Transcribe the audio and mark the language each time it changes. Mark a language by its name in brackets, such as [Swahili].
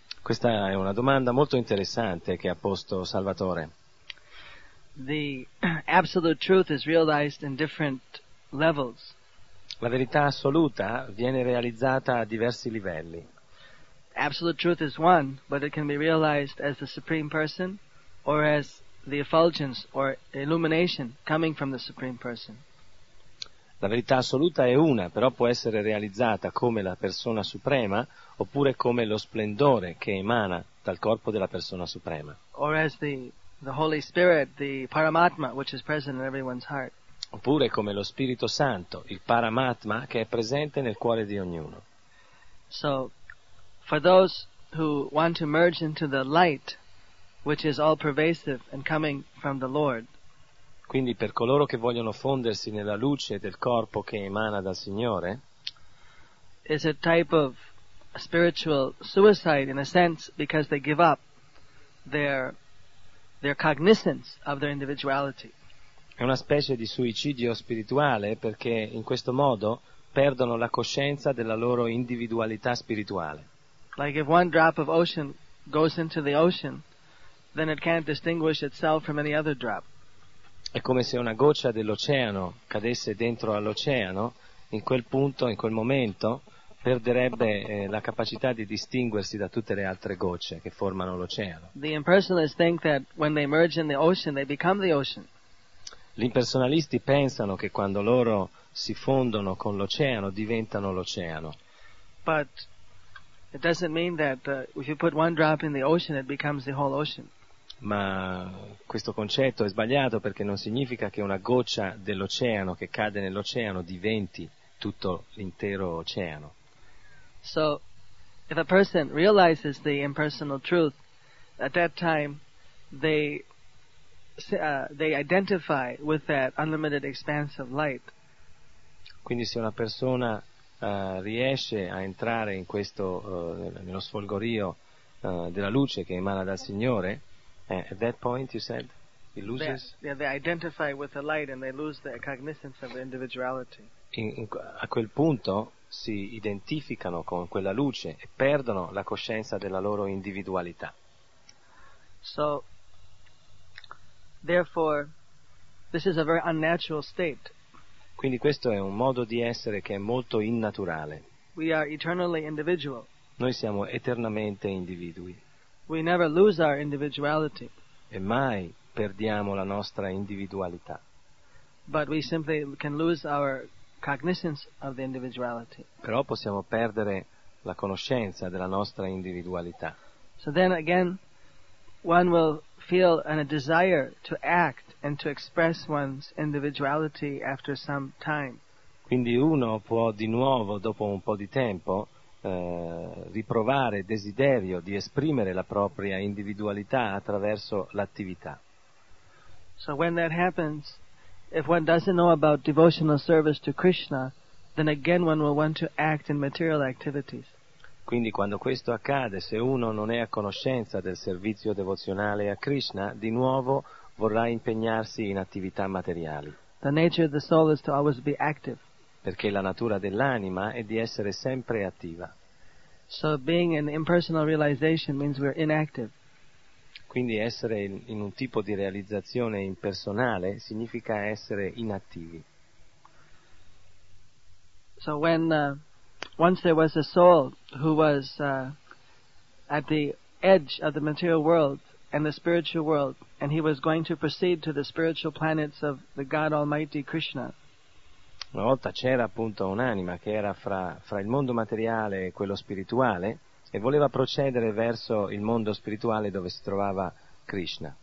[Italian] Questa è una domanda molto interessante che ha posto Salvatore. [English] The absolute truth is realized in different levels. [Italian] La verità assoluta viene realizzata a diversi livelli. [English] Absolute truth is one, but it can be realized as the Supreme Person or as the effulgence or illumination coming from the Supreme Person. [Italian] La verità assoluta è una, però può essere realizzata come la persona suprema oppure come lo splendore che emana dal corpo della persona suprema. [English] Or as the Holy Spirit, the Paramatma, which is present in everyone's heart. [Italian] Oppure come lo Spirito Santo, il Paramatma, che è presente nel cuore di ognuno. [English] So, for those who want to merge into the light, which is all pervasive and coming from the Lord. [Italian] Quindi per coloro che vogliono fondersi nella luce del corpo che emana dal Signore. [English] Is a type of spiritual suicide in a sense because they give up their cognizance of their individuality. [Italian] È una specie di suicidio spirituale perché in questo modo perdono la coscienza della loro individualità spirituale. [English] Like if one drop of ocean goes into the ocean, then it can't distinguish itself from any other drop. [Italian] È come se una goccia dell'oceano cadesse dentro all'oceano, in quel punto, in quel momento, perderebbe la capacità di distinguersi da tutte le altre gocce che formano l'oceano. [English] The impersonalists think that when they merge in the ocean, they become the ocean. [Italian] Gli impersonalisti pensano che quando loro si fondono con l'oceano diventano l'oceano. [English] But it doesn't mean that if you put one drop in the ocean, it becomes the whole ocean. [Italian] Ma questo concetto è sbagliato perché non significa che una goccia dell'oceano che cade nell'oceano diventi tutto l'intero oceano. [English] So, if a person realizes the impersonal truth, at that time they identify with that unlimited expanse of light. [Italian] Quindi se una persona riesce a entrare in questo nello sfolgorio della luce che emana dal Signore. [English] At that point, you said, he loses. They identify with the light and they lose the cognizance of individuality. [Italian] A quel punto si identificano con quella luce e perdono la coscienza della loro individualità. [English] So, therefore, this is a very unnatural state. [Italian] Quindi questo è un modo di essere che è molto innaturale. [English] We are eternally individual. [Italian] Noi siamo eternamente individui. [English] We never lose our individuality. [Italian] E mai perdiamo la nostra individualità. [English] But we simply can lose our cognizance of the individuality. [Italian] Però possiamo perdere la conoscenza della nostra individualità. [English] So then again, one will feel a desire to act and to express one's individuality after some time. [Italian] Quindi uno può di nuovo, dopo un po' di tempo, riprovare desiderio di esprimere la propria individualità attraverso l'attività. [English] So when that happens, if one doesn't know about devotional service to Krishna, then again one will want to act in material activities. [Italian] Quindi quando questo accade, se uno non è a conoscenza del servizio devozionale a Krishna, di nuovo vorrà impegnarsi in attività materiali. [English] The nature of the soul is to always be active. [Italian] Perché la natura dell'anima è di essere sempre attiva. [English] So being an impersonal realization means we're inactive. [Italian] Quindi essere in un tipo di realizzazione impersonale significa essere inattivi. [English] So when once there was a soul who was at the edge of the material world and the spiritual world and he was going to proceed to the spiritual planets of the God Almighty Krishna. [Italian] Una volta c'era appunto un'anima che era fra il mondo materiale e quello spirituale e voleva procedere verso il mondo spirituale dove si trovava Krishna.